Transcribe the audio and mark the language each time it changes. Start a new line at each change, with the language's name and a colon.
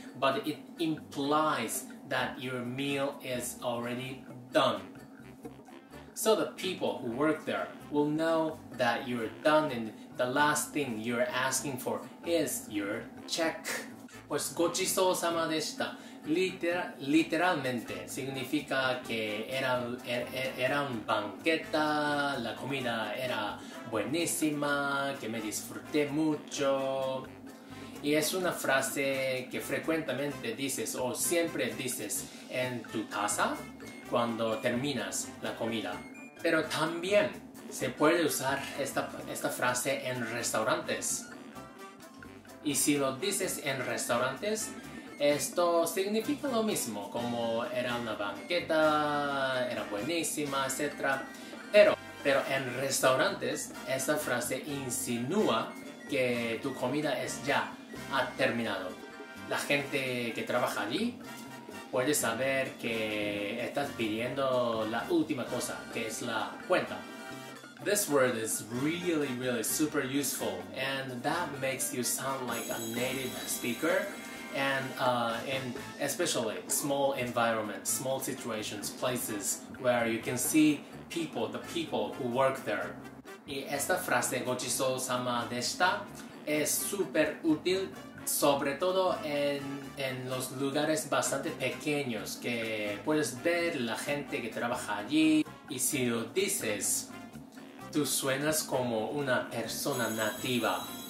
English: But it implies that your meal is already done. So the people who work there will know that you're done and the last thing you're asking for is your check.
Spanish: Pues,
Japanese: ごちそうさまでした。
Spanish: literalmente significa que era un banqueta, la comida era buenísima, que me disfruté mucho. Y es una frase que frecuentemente dices o siempre dices en tu casa cuando terminas la comida. Pero también se puede usar esta frase en restaurantes. Y si lo dices en restaurantes, esto significa lo mismo, como era una banqueta, era buenísima, etc. Pero en restaurantes, esta frase insinúa que tu comida es ya, ha terminado. La gente que trabaja allí... Puedes saber que estás pidiendo la última cosa, que es la cuenta.
English: This word is really, really super useful, and that makes you sound like a native speaker. And in especially small environments, small situations, places where you can see people, the people who work there.
Spanish: Y esta frase,
Japanese: ごちそうさまでした,
Spanish: es super útil. Sobre todo en los lugares bastante pequeños que puedes ver la gente que trabaja allí. Y si lo dices, tú suenas como una persona nativa.